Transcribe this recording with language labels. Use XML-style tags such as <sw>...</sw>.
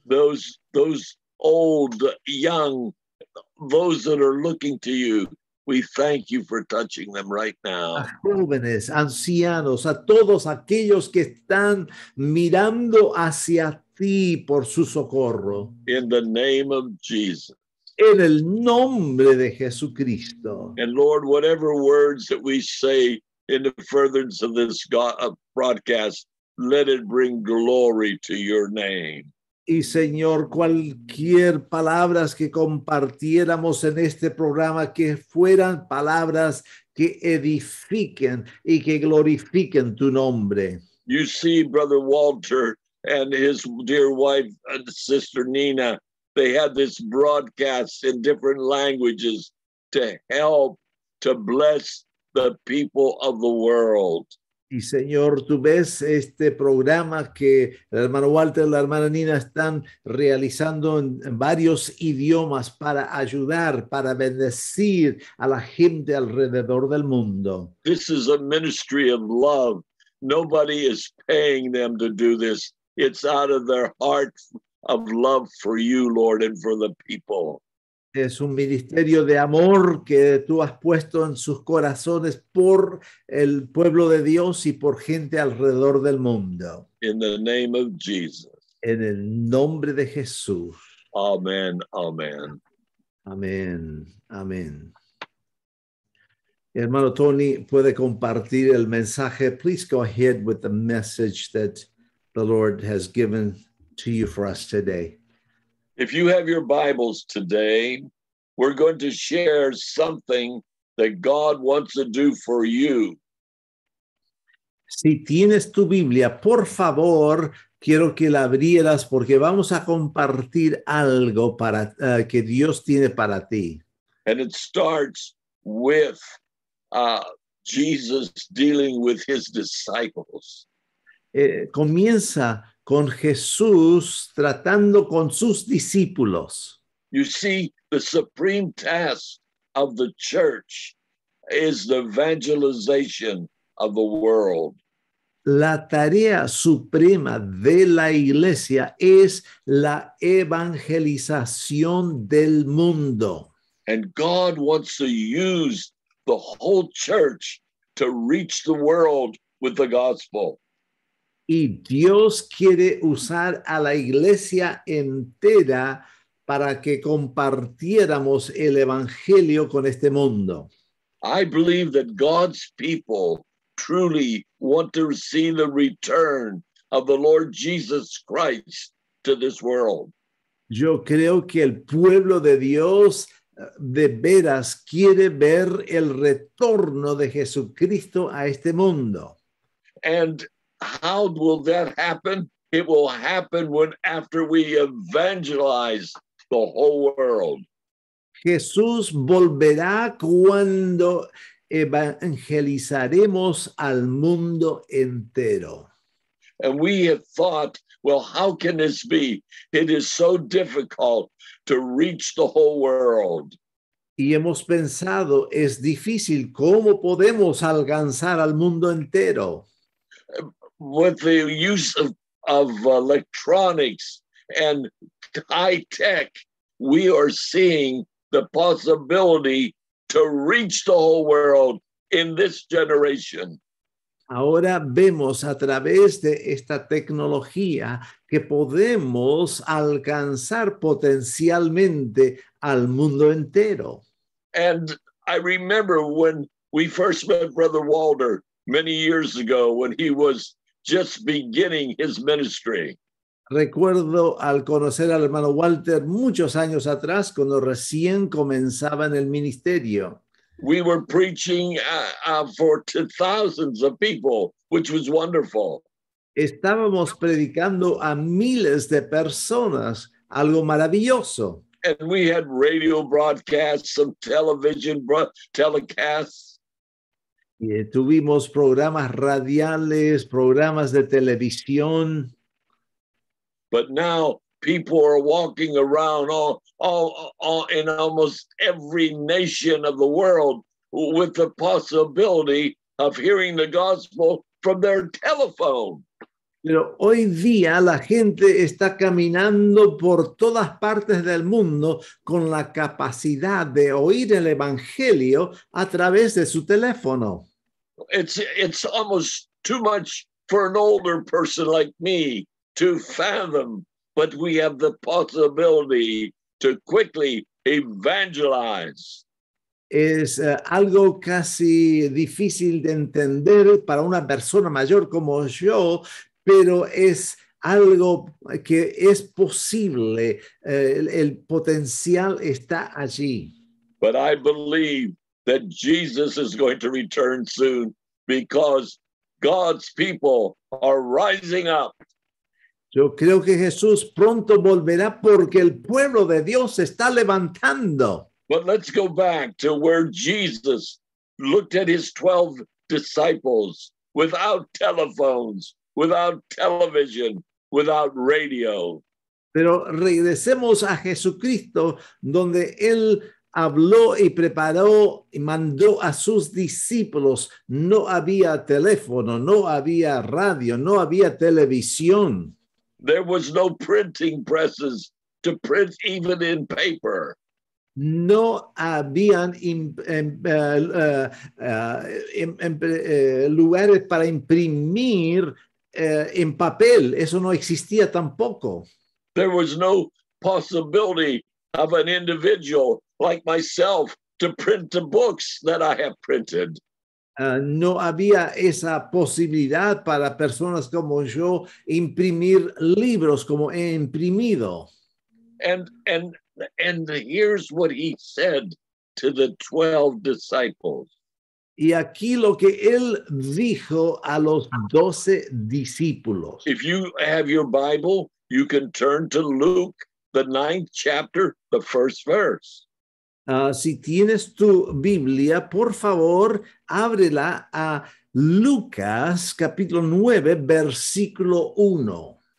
<en>Those old, young, those that are looking to you We thank you for touching them right now.</en> <es>A jóvenes, ancianos, a todos aquellos que están mirando hacia ti por su socorro.</es> <en>In the name of Jesus.</en> <es>En el nombre de Jesucristo.</es> <en>And Lord, whatever words that we say in the furtherance of this broadcast, let it bring glory to your name.</en> <es>Y Señor, cualquier palabras que compartiéramos en este programa, que fueran palabras que edifiquen y que glorifiquen tu nombre.</es> <en>You see, Brother Walter and his dear wife, Sister Nina, they had this broadcast in different languages to help to bless the people of the world.</en> <es>Y Señor, tú ves este programa que el hermano Walter y la hermana Nina están realizando en varios idiomas para ayudar, para bendecir a la gente alrededor del mundo.</es> <en>This is a ministry of love. Nobody is paying them to do this. It's out of their heart of love for you, Lord, and for the people.</en> <es>Es un ministerio de amor que tú has puesto en sus corazones por el pueblo de Dios y por gente alrededor del mundo.</es> <en>In the name of Jesus.</en> <es>En el nombre de Jesús.</es> <en>Amen, amen.</en> <es>Amén, amén. Hermano Tony, puede compartir el mensaje.</es> <en>Please go ahead with the message that the Lord has given to you for us today. If you have your Bibles today, we're going to share something that God wants to do for you.</en> <es>Si tienes tu Biblia, por favor, quiero que la abrieras porque vamos a compartir algo para que Dios tiene para ti.</es> <en>And it starts with Jesus dealing with his disciples.</en> <es>Comienza con Jesús tratando con sus discípulos.</es> <en>You see, the supreme task of the church is the evangelization of the world.</en> <es>La tarea suprema de la iglesia es la evangelización del mundo.</es> <en>And God wants to use the whole church to reach the world with the gospel.</en> <es>Y Dios quiere usar a la iglesia entera para que compartiéramos el evangelio con este mundo.</es> <en>I believe that God's people truly want to see the return of the Lord Jesus Christ to this world.</en> <es>Yo creo que el pueblo de Dios de veras quiere ver el retorno de Jesucristo a este mundo.</es> <en>And how will that happen? It will happen when after we evangelize the whole world.</en> <es>Jesús volverá cuando evangelizaremos al mundo entero.</es> <en>And we have thought, well, how can this be? It is so difficult to reach the whole world.</en> <es>Y hemos pensado, es difícil, ¿cómo podemos alcanzar al mundo entero?</es> <en>With the use of electronics and high tech, we are seeing the possibility to reach the whole world in this generation.</en> <es>Ahora vemos a través de esta tecnología que podemos alcanzar potencialmente al mundo entero.</es> <en>And I remember when we first met Brother Walter many years ago when he was just beginning his ministry.</en> <es>Recuerdo al conocer al hermano Walter muchos años atrás, cuando recién comenzaba en el ministerio.</es> <en>We were preaching for thousands of people, which was wonderful.</en> <es>Estábamos predicando a miles de personas, algo maravilloso.</es> <en>And we had radio broadcasts, some television telecasts.</en> <es>Y tuvimos programas radiales, programas de televisión.</es> <en>But now people are walking around all in almost every nation of the world with the possibility of hearing the gospel from their telephone.</en> <es>Pero hoy día la gente está caminando por todas partes del mundo con la capacidad de oír el evangelio a través de su teléfono.</es> <en>It's almost too much for an older person like me to fathom, but we have the possibility to quickly evangelize.</en> <es>Es algo casi difícil de entender para una persona mayor como yo, pero es algo que es posible. El potencial está allí.</es> <en>But I believe that Jesus is going to return soon because God's people are rising up.</en> <es>Yo creo que Jesús pronto volverá porque el pueblo de Dios se está levantando.</es> <en>But let's go back to where Jesus looked at his 12 disciples without telephones, without television, without radio.</en> <es>Pero regresemos a Jesucristo, donde él habló y preparó y mandó a sus discípulos. No había teléfono, no había radio, no había televisión.</es> <en>There was no printing presses to print even in paper.</en> <es>No habían lugares para imprimir en papel. Eso no existía tampoco.</es> <en>There was no possibility of an individual like myself to print the books that I have printed.</en> <es>No había esa posibilidad para personas como yo imprimir libros como he imprimido.</es> <en>And here's what he said to the 12 disciples.</en> <es>Y aquí lo que él dijo a los 12 discípulos.</es> <en>If you have your Bible, you can turn to Luke, the ninth chapter, the first verse.</en> <es>Si tienes tu Biblia, por favor, ábrela a Lucas capítulo 9, versículo 1.</es>